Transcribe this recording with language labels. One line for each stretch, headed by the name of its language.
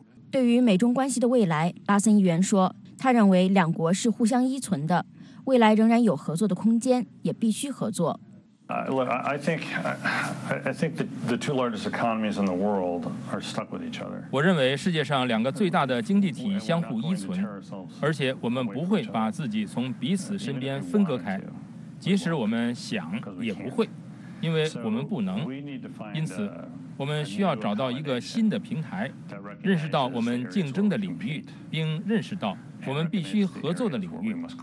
Chinese: 对于美中关系的未来，拉森议员说，他认为两国是互相依存的，未来仍然有合作的空间，也必须合作。
English: I think the two largest economies in the world are stuck with each other.
Chinese: 我认为世界上两个最大的经济体相互依存，而且我们不会把自己从彼此身边分隔开，即使我们想也不会，因为我们不能。因此，我们需要找到一个新的平台，认识到我们竞争的领域，并认识到我们必须合作的领域。